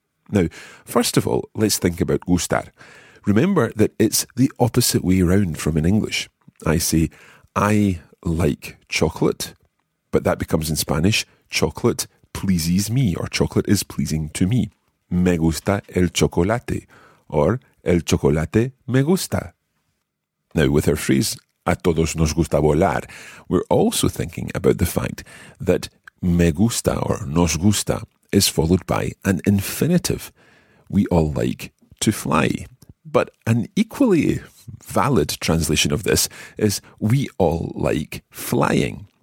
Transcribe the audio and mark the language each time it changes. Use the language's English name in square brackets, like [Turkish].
[English] Now, first of all, let's think about gustar. Remember that it's the opposite way around from in English. I say, I like chocolate, but that becomes in Spanish, chocolate pleases me, or chocolate is pleasing to me. [Spanish] Me gusta el chocolate, or el chocolate me gusta. [English] Now, with our phrase, [Spanish] a todos nos gusta volar, [English] we're also thinking about the fact that me gusta or nos gusta is followed by an infinitive. We all like to fly. But an equally valid translation of this is we all like flying.